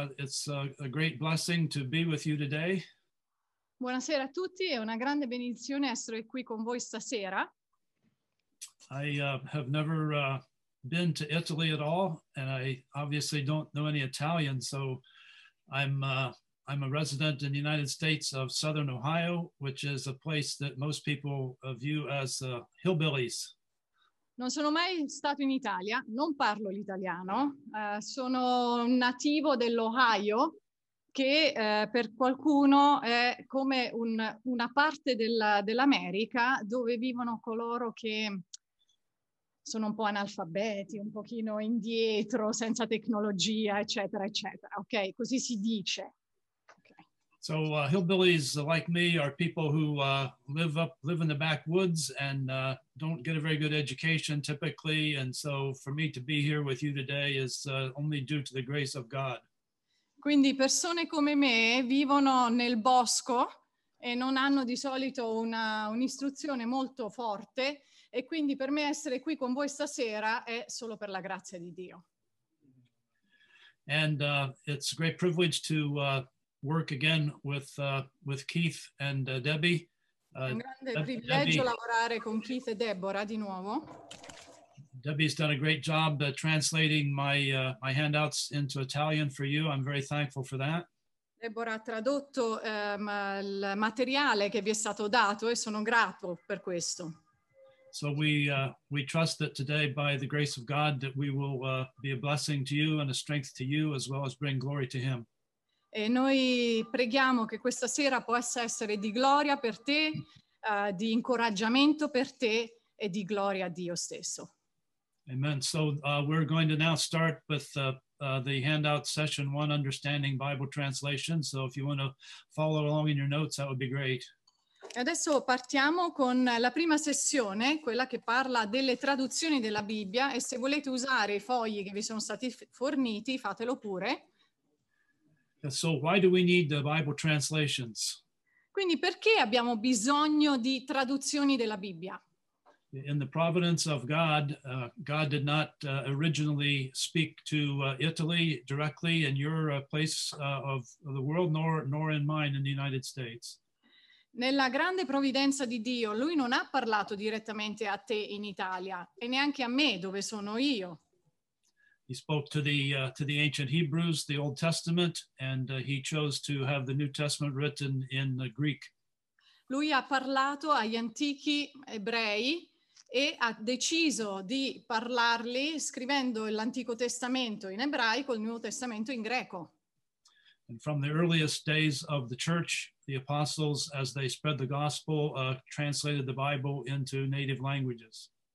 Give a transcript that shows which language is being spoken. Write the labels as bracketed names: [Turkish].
[English] It's a great blessing to be with you today. [Italian] Buonasera a tutti, è una grande benedizione essere qui con voi stasera. [English] I have never been to Italy at all, and I obviously don't know any Italian, so I'm a resident in the United States of Southern Ohio, which is a place that most people view as hillbillies. [Italian] Non sono mai stato in Italia, non parlo l'italiano, sono un nativo dell'Ohio, che per qualcuno è come una parte dell'America dove vivono coloro che sono un po' analfabeti, un pochino indietro, senza tecnologia, eccetera, eccetera. Ok, così si dice. [English] So hillbillies like me are people who live in the backwoods and don't get a very good education typically, and so for me to be here with you today is only due to the grace of God. [Italian] Quindi persone come me vivono nel bosco e non hanno di solito un'istruzione molto forte, e quindi per me essere qui con voi stasera è solo per la grazia di Dio. [English] And it's a great privilege to work again with Keith and Debbie. [Italian] Un grande privilegio lavorare con Keith e Deborah di nuovo. [English] Debbie's done a great job translating my handouts into Italian for you. I'm very thankful for that. [Italian] Deborah ha tradotto il materiale che vi è stato dato e sono grato per questo. [English] So we trust that today, by the grace of God, that we will be a blessing to you and a strength to you, as well as bring glory to Him. [Italian] E noi preghiamo che questa sera possa essere di gloria per te, di incoraggiamento per te e di gloria a Dio stesso. Amen. [English] So we're going to now start with the handout session one, Understanding Bible Translation. So if you want to follow along in your notes, that would be great. [Italian] Adesso partiamo con la prima sessione, quella che parla delle traduzioni della Bibbia, e se volete usare i fogli che vi sono stati forniti, fatelo pure. [English] So why do we need the Bible translations? [Italian] Quindi perché abbiamo bisogno di traduzioni della Bibbia? [English] In the providence of God, God did not originally speak to Italy directly in your place of the world, nor in mine in the United States. [Italian] Nella grande provvidenza di Dio, Lui non ha parlato direttamente a te in Italia, e neanche a me dove sono io. [English] He spoke to the ancient Hebrews, the Old Testament, and he chose to have the New Testament written in Greek. [Italian] Lui ha parlato agli antichi ebrei e ha deciso di parlarli scrivendo l'Antico Testamento in ebraico, il Nuovo Testamento in greco. [English] And from the earliest days of the church, the apostles, as they spread the gospel, translated the Bible into native languages.